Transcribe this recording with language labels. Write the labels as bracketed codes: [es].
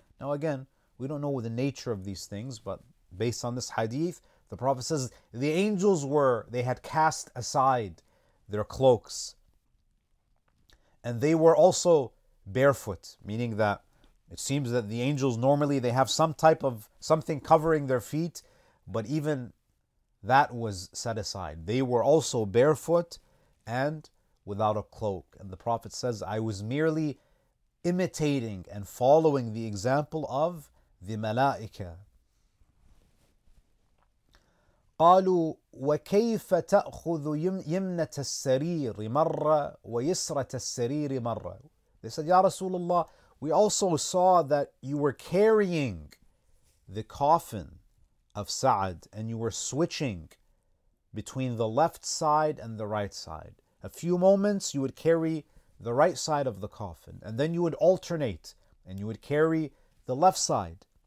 [en] Now again, we don't know the nature of these things, but based on this hadith, the Prophet says, the angels were, they had cast aside their cloaks, and they were also barefoot, meaning that it seems that the angels normally, they have some type of something covering their feet, but even that was set aside. They were also barefoot and without a cloak. And the Prophet says, I was merely imitating and following the example of the Malaika. [ar] قالوا وكيف تأخذ يمنة السرير مرة ويسرة السرير مرة. [en] They said, Ya Rasulullah, we also saw that you were carrying the coffin of Sa'd and you were switching between the left side and the right side. A few moments you would carry the right side of the coffin and then you would alternate and you would carry the left side.